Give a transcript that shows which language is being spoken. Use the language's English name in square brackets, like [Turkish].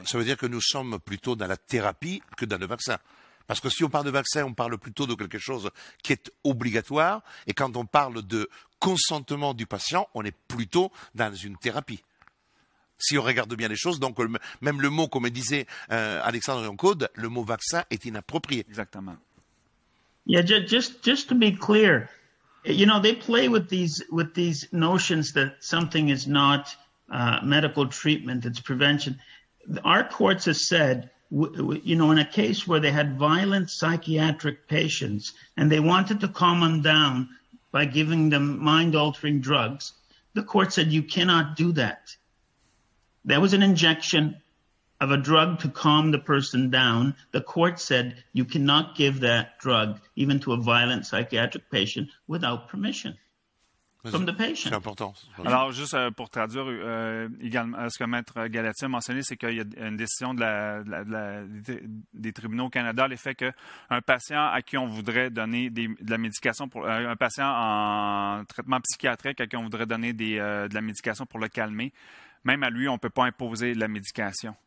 [French] Donc, ça veut dire que nous sommes plutôt dans la thérapie que dans le vaccin. Parce que si on parle de vaccin, on parle plutôt de quelque chose qui est obligatoire. Et quand on parle de consentement du patient, on est plutôt dans une thérapie. Si on regarde bien les choses, donc même le mot, comme disait Alexandre Yoncode, le mot vaccin est inapproprié. Exactement. [English] Yeah, just to be clear, you know, they play with these notions that something is not medical treatment, it's prevention. Our courts have said, you know, in a case where they had violent psychiatric patients and they wanted to calm them down by giving them mind-altering drugs, the court said, you cannot do that. There was an injection of a drug to calm the person down. The court said, you cannot give that drug even to a violent psychiatric patient without permission. From the patient. [French] C'est important. Alors, juste pour traduire également ce que Maître Galati a mentionné, c'est qu'il y a une décision des tribunaux au Canada, l'effet qu'un patient à qui on voudrait donner de la médication pour un patient en traitement psychiatrique à qui on voudrait donner de la médication pour le calmer, même à lui, on ne peut pas imposer de la médication.